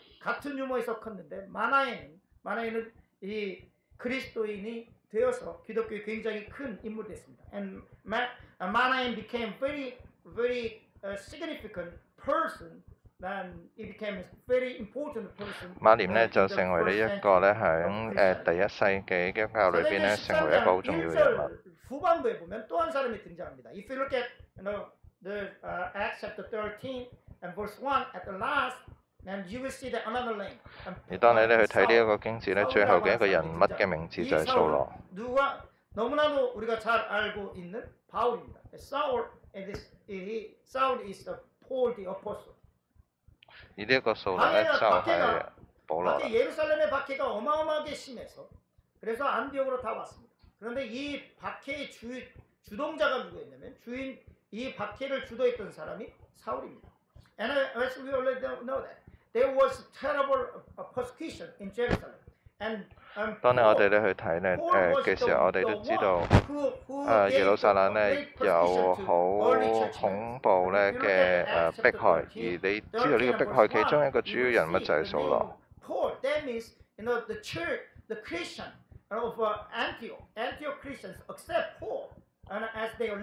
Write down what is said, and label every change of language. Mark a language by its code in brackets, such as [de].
[ko] 같은유머에서컸는데마나엔은이그리스도인이되어서기독교에굉장히큰인물이됐습니다 [en] And Manaen became very very significant person. Then he became a very important person. [yue] 馬念咧就成為呢一個咧響第一世紀基督教裏邊咧成為一個好重要嘅人物。 [ko] 후반부에보면또한사람이등장합니다 [en] If you look at you know the Acts chapter 13 and verse 1 at the last, then you will see that another name. [yue] 而當你咧去睇呢一個經節咧，最後嘅一個人物嘅名字就係掃羅。 [ko] 누가너무나도우리가잘알고있는바울입니다 [en] Saul and this he Saul is the Paul the apostle. [yue] 而呢一個掃羅咧就係保羅。 [ko] 耶路撒冷嘅박해가어마어마하게심해서그래서안디옥으로다왔습니다그런데이박해의주동자가누구였냐면주인이박해를주도했던사람이사울입니다 [en] And as we already know that there was terrible persecution in Jerusalem. And [yue] 當我哋咧去睇咧嘅時候，我哋都知道，耶路撒冷咧有好恐怖咧嘅迫害，而你知道呢個迫害其中一個主要人物就係掃羅。 [en] Paul, that means you know the church, the Christian of Antioch Christians accept Paul and as they are.